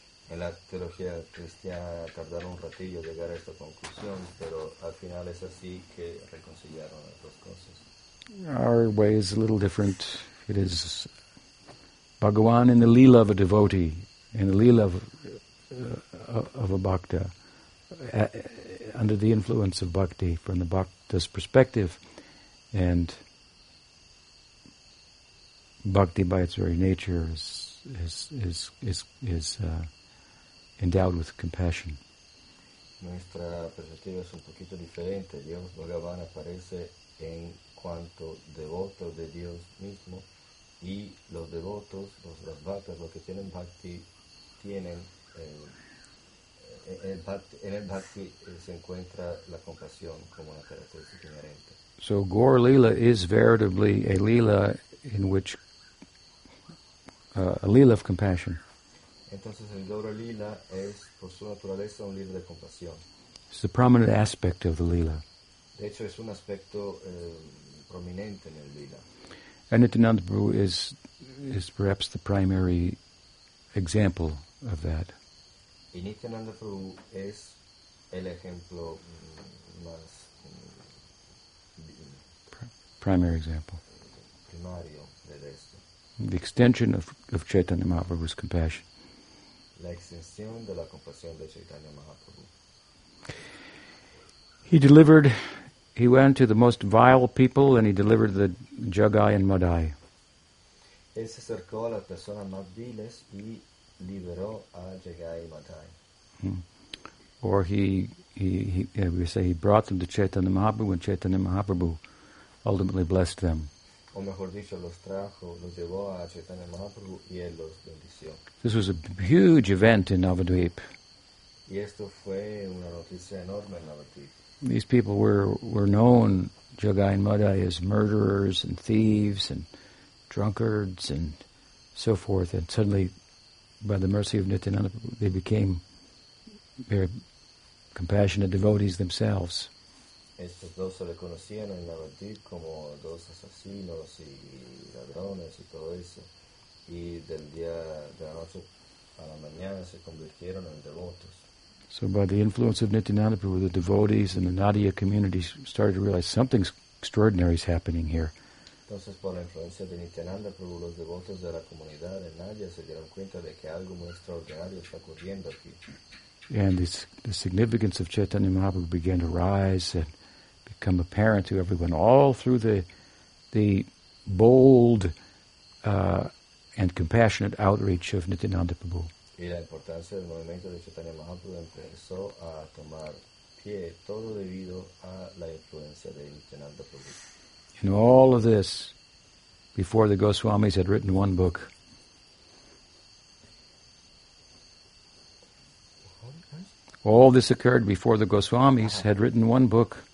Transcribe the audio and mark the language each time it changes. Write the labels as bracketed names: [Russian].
[Spanish] en la teología cristiana tardaron un ratillo llegar a esta conclusión, pero al final es así que reconciliaron las dos cosas. [English] Our way is a little different. It is Bhagawan in the lila of a devotee, in the lila of a bhakta, under the influence of bhakti, from the bhakta's perspective, and bhakti by its very nature is endowed with compassion. [Spanish] Nuestra perspectiva es un poquito diferente. Dios Bhagavan aparece en cuanto devoto de Dios mismo, y los devotos, los bhaktas, los que tienen bhakti, tienen en el bhakti se encuentra la compasión como una característica inherente. [English] So Gaur Lila is veritably a lila in which a lila of compassion. [Spanish] Entonces el Gaur Lila es por su naturaleza un lila de compasión. [English] It's the prominent aspect of the lila. [Spanish] De hecho es un aspecto prominente en el lila. [English] And Nityananda Prabhu is perhaps the primary example of that. [Spanish] Y Nityananda Prabhu es el ejemplo más [English] primary example. [Spanish] Primario de esto. [English] The extension of Chaitanya Mahaprabhu's compassion. [Spanish] La extensión de la compasión de Chaitanya Mahaprabhu. [English] He went to the most vile people and he delivered the Jagai and Madai. [Spanish] Él se acercó a las personas más viles y liberó a Jagai y Madai. [English] Or he brought them to Chaitanya Mahaprabhu, and Chaitanya Mahaprabhu ultimately blessed them. [Spanish] O mejor dicho, los trajo, los llevó a Chaitanya Mahaprabhu y él los bendició. [English] This was a huge event in Navadvip. [Spanish] Y esto fue una noticia enorme en Navadvip. [English] These people were known, Jagai and Madai, as murderers and thieves and drunkards and so forth. And suddenly, by the mercy of Nityananda, they became very compassionate devotees themselves. [Spanish] Estos dos se le conocían en Navadvip como dos asesinos y ladrones y todo eso. Y del día de la noche a la mañana se convirtieron en devotos. [English] So by the influence of Nityananda Prabhu, the devotees and the Nadia community started to realize something extraordinary is happening here. [Spanish] Entonces, por la influencia de Nityananda Prabhu, los devotos de la comunidad en Nadia se dieron cuenta de que algo muy extraordinario está ocurriendo aquí. [English] And the significance of Chaitanya Mahaprabhu began to rise and become apparent to everyone all through the bold and compassionate outreach of Nityananda Prabhu. [Spanish] Y la importancia del movimiento de Chaitanya Mahaprabhu empezó a tomar pie, todo debido a la influencia de Nityananda Prabhu. [English] In all of this, before the Goswamis had written one book. All this occurred before the Goswamis had written one book.